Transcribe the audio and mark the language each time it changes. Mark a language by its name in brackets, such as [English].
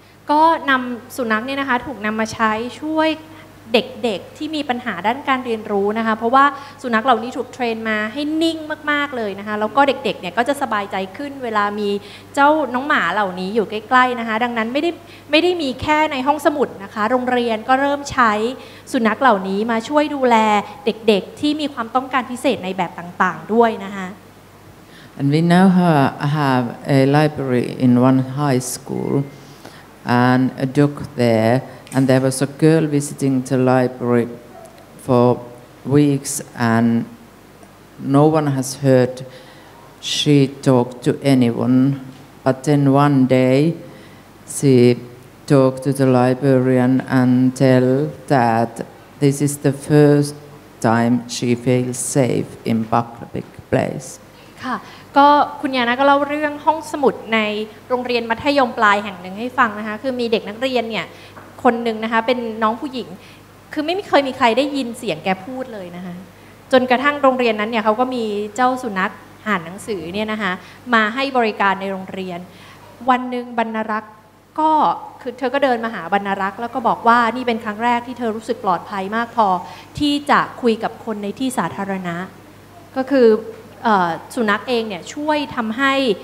[Thai] ก็นำสุนัขเนี่ยนะคะถูกนำมาใช้ช่วยเด็กๆที่มีปัญหาด้านการเรียนรู้นะคะเพราะว่าสุนัขเหล่านี้ถูกเทรนมาให้นิ่งมากๆเลยนะคะแล้วก็เด็กๆเนี่ยก็จะสบายใจขึ้นเวลามีเจ้าน้องหมาเหล่านี้อยู่ใกล้ๆนะคะดังนั้นไม่ได้มีแค่ในห้องสมุดนะคะโรงเรียนก็เริ่มใช้สุนัขเหล่านี้มาช่วยดูแลเด็กๆที่มีความต้องการพิเศษในแบบต่างๆด้วยนะคะ [English] And we now have a library in one high school and a dog thereAnd there was a girl visiting the library for weeks, and no one has heard she talk to anyone. But then one day, she talked to the librarian and tell that this is the first time she feels safe in public place. [Thai] ค่ะก็คุณยานะก็เล่าเรื่องห้องสมุดในโรงเรียนมัธยมปลายแห่งหนึ่งให้ฟังนะคะคือมีเด็กนักเรียนเนี่ยคนหนึ่งนะคะเป็นน้องผู้หญิงคือไม่เคยมีใครได้ยินเสียงแกพูดเลยนะคะ จนกระทั่งโรงเรียนนั้นเนี่ยเขาก็มีเจ้าสุนัขอ่านหนังสือเนี่ยนะคะมาให้บริการในโรงเรียนวันหนึ่งบรรณรักษ์ก็คือเธอก็เดินมาหาบรรณรักษ์แล้วก็บอกว่านี่เป็นครั้งแรกที่เธอรู้สึกปลอดภัยมากพอที่จะคุยกับคนในที่สาธารณะก็คือสุนัขเองเนี่ยช่วยทำให้